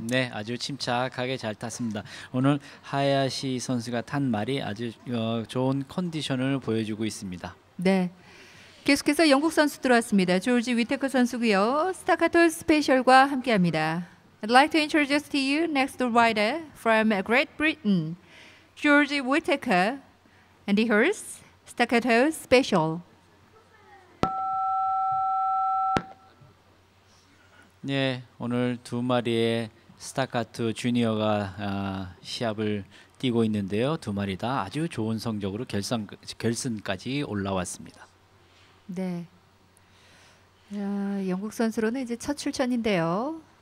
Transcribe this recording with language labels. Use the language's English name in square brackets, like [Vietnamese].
[Korean] 네, 아주 침착하게 잘 탔습니다. 오늘 하야시 선수가 탄 말이 아주 좋은 컨디션을 보여주고 있습니다. 네. 계속해서 영국 선수 들어왔습니다. 조지 위테커 선수고요. 스타카토 스페셜과 함께합니다. [English] I'd like to introduce to you next rider from Great Britain, George Whittaker, and here's Staccato Special. [Korean] 네, 오늘 두 마리의 스타카토 주니어가 시합을 뛰고 있는데요. 두 마리 다 아주 좋은 성적으로 결승까지 올라왔습니다. 네, 영국 선수로는 이제 첫 출전인데요.